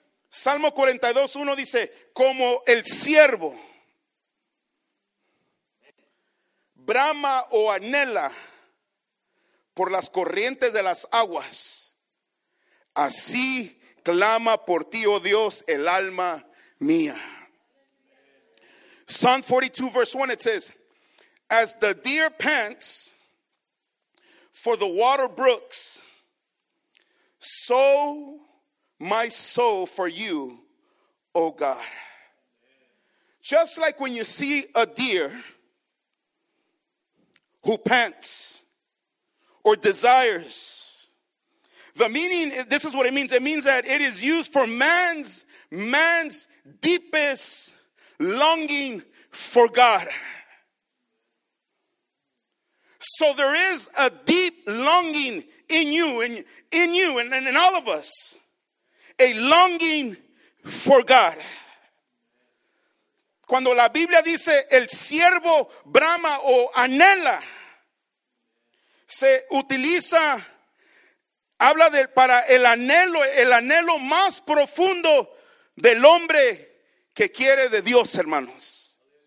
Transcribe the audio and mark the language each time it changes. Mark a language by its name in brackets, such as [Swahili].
[Spanish] Salmo 42:1 dice, como el siervo brama o anhela por las corrientes de las aguas, así clama por ti, oh Dios, el alma mía. [English] Psalm 42:1, it says, As the deer pants for the water brooks, so my soul for you, O God. Just like when you see a deer who pants or desires. The meaning, this is what it means. It means that it is used for man's deepest longing for God. So there is a deep longing in you and in all of us. A longing for God. [Spanish] Cuando la Biblia dice el siervo brama o anhela, se utiliza, habla de, para el anhelo más profundo del hombre que quiere de Dios, hermanos.